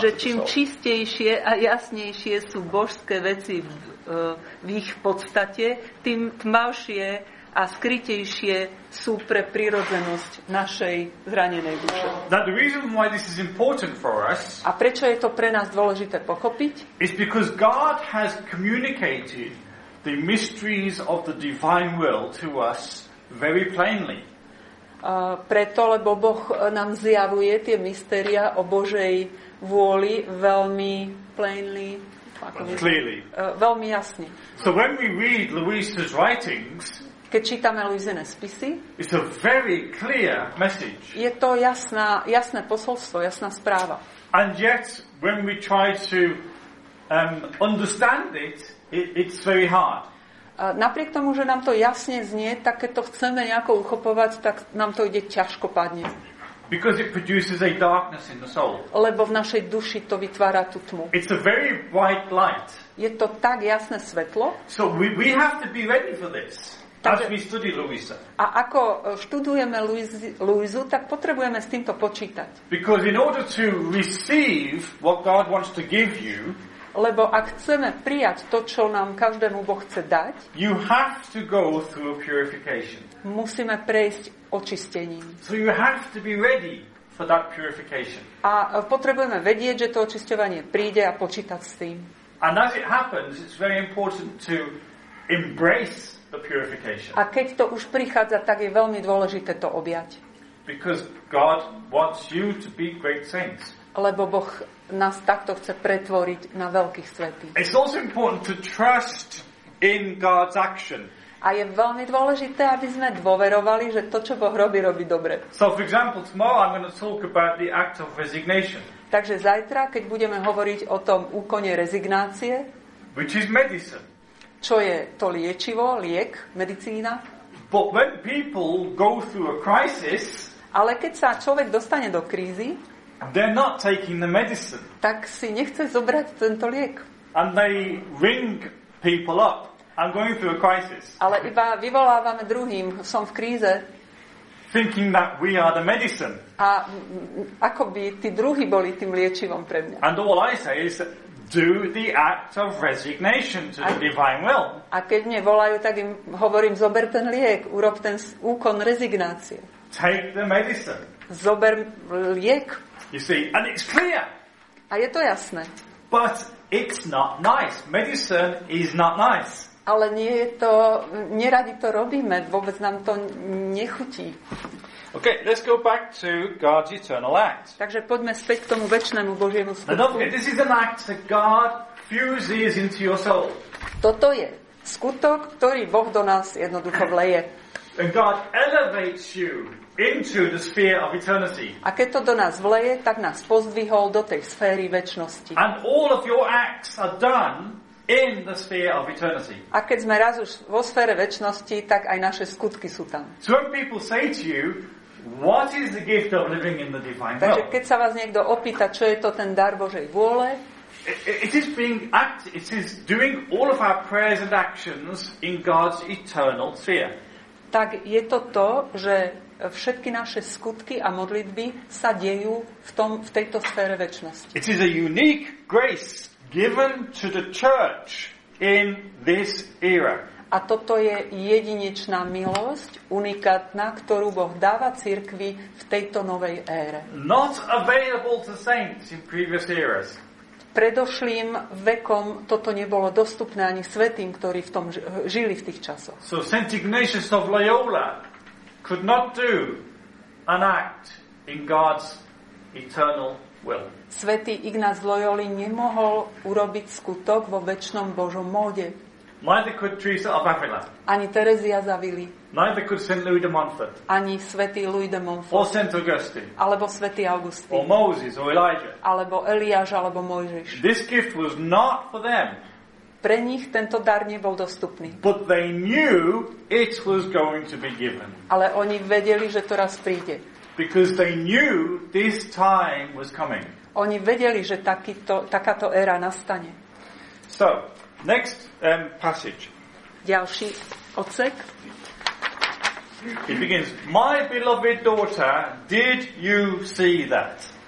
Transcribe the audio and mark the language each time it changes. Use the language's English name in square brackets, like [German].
[Slovak] Že čím čistejšie a jasnejšie sú božské veci v ich podstate, tým tmavšie a skrytejšie sú pre prirodzenosť našej zranenej duše. [English] Now the reason why this is important for us. [Slovak] A prečo je to pre nás dôležité pochopiť? [English] Is because God has communicated the mysteries of the divine will to us very plainly. [Slovak] Preto, lebo Boh nám zjavuje tie mystéria o Božej vôli veľmi plainly, [English] clearly. [Slovak] Veľmi jasne. [English] So when we read Luisa's writings, [Slovak] keď čítame Luisine spisy, [English] it's a very clear message. [Slovak] Je to jasné posolstvo, jasná správa. [English] And yet, when we try to understand it's very hard. [Slovak] Napriek tomu, že nám to jasne znie, tak keď to chceme nejako uchopovať, tak nám to ide ťažko padne. [English] Because it produces a darkness in the soul. [Slovak] Lebo v našej duši to vytvára tú tmu. [English] It's a very bright light. [Slovak] Je to tak jasné svetlo. [English] So we have to be ready for this. Takže, as we study Luisa. [Slovak] A ako študujeme Luisu, tak potrebujeme s týmto počítať. [English] Because in order to receive what God wants to give you, [Slovak] lebo ak chceme prijať to, čo nám každému Boh chce dať, [English] you have to go through a purification. [Slovak] Musíme prejsť očistením. [English] So you have to be ready for that purification. [Slovak] A potrebujeme vedieť, že to očisťovanie príde, a počítať s tým. [English] And as it happens, it's very important to embrace the purification. [Slovak] A keď to už prichádza, tak je veľmi dôležité to objať. [English] Because God wants you to be great saints. [Slovak] Lebo Boh nás takto chce pretvoriť na veľkých svätých. [English] It's also important to trust in God's action. [Slovak] A je veľmi dôležité, aby sme dôverovali, že to, čo Boh robí, robí dobre. [English] So for example, tomorrow I'm going to talk about the act of resignation. [Slovak] Takže zajtra, keď budeme hovoriť o tom úkone rezignácie, [English] which is medicine. [Slovak] Čo je to liečivo, liek, medicína? [English] But when people go through a crisis, [Slovak] ale keď sa človek dostane do krízy, [English] they're not taking the medicine. [Slovak] Tak si nechce zobrať tento liek. [English] And they ring people up. I'm going through a crisis. [Slovak] Ale iba vyvolávame druhým, som v kríze. [English] Thinking that we are the medicine. [Slovak] A ako by tí druhí boli tým liečivom pre mňa. [English] And all I say is do the act of resignation to the divine will. [Slovak] A keď mne volajú, tak im hovorím, zober ten liek, urob ten úkon rezignácie. [English] Take the medicine. [Slovak] Zober liek. [English] You see, and it's clear. [Slovak] A je to jasné. [English] But it's not nice. Medicine is not nice. [Slovak] Ale nie je to, neradi to robíme, vôbec nám to nechutí. [English] Okay, let's go back to God's eternal act. [Slovak] Takže poďme späť k tomu večnému Božiemu skutku. [English] Okay, this is an act that God fuses into your soul. [Slovak] Toto je skutok, ktorý Boh do nás jednoducho vleje. [English] And God elevates you into the sphere of eternity. [Slovak] A keď to do nás vleje, tak nás pozdvihol do tej sféry večnosti. [English] And all of your acts are done in the sphere of eternity. [Slovak] A keď sme raz už vo sfére večnosti, tak aj naše skutky sú tam. [English] Some people say to you, what is the gift of living in the divine will? [Slovak] Takže keď sa vás niekto opýta, čo je to ten dar Božej vôle? [English] It is doing all of our prayers and actions in God's eternal sphere. [Slovak] Tak je to to, že všetky naše skutky a modlitby sa dejú v tejto sfére večnosti. [English] It is a unique grace given to the church in this era. [Slovak] A toto je jedinečná milosť, unikátna, ktorú Boh dáva cirkvi v tejto novej ére. [English] Not available to saints in previous eras. [Slovak] Predošlým vekom toto nebolo dostupné ani svätým, ktorí v tom žili v tých časoch. [English] So Saint Ignatius of Loyola could not do an act in God's eternal will. [Slovak] Svätý Ignác Loyoli nemohol urobiť skutok vo večnom Božom móde. [English] Neither could Teresa of Avila. [Slovak] Ani Terezia z Avily. [English] Neither could Saint Louis de Montfort. [Slovak] Ani svätý Louis de Montfort. [English] Or Saint Augustine. [Slovak] Alebo svätý Augustín. [English] Or Moses or Elijah. [Slovak] Alebo Eliáš alebo Mojžiš. [English] This gift was not for them. [Slovak] Pre nich tento dar nebol dostupný. [English] But they knew it was going to be given. [Slovak] Ale oni vedeli, že to raz príde. [English] Because they knew this time was coming. [Slovak] Oni vedeli, že takáto éra nastane. [English] So, next passage. [Slovak] Ďalší odsek. [English] It begins, my beloved daughter, did you see that?